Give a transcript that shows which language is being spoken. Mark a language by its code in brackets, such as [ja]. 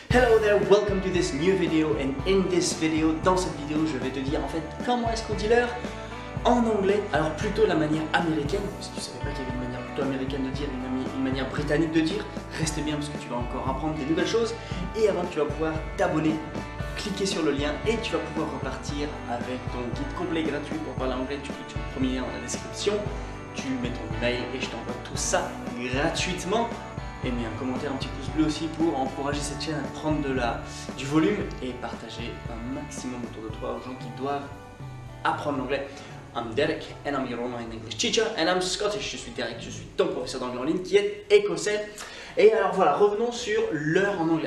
[en] Hello there, welcome to this new video, and in this video, [fr] dans cette vidéo, je vais te dire en fait comment est-ce qu'on dit l'heure en anglais, alors plutôt la manière américaine, parce que tu savais pas qu'il y avait une manière plutôt américaine de dire, une manière britannique de dire, reste bien parce que tu vas encore apprendre des nouvelles choses, et avant tu vas pouvoir t'abonner, cliquer sur le lien, et tu vas pouvoir repartir avec ton guide complet gratuit pour parler anglais, tu cliques sur le premier lien dans la description, tu mets ton mail et je t'envoie tout ça gratuitement. Et mets un commentaire, un petit pouce bleu aussi pour encourager cette chaîne à prendre du volume et partager un maximum autour de toi aux gens qui doivent apprendre l'anglais. [en] I'm Derek and I'm your online English teacher and I'm Scottish. [fr] Je suis Derek, je suis ton professeur d'anglais en ligne qui est écossais. Et alors voilà, revenons sur l'heure en anglais.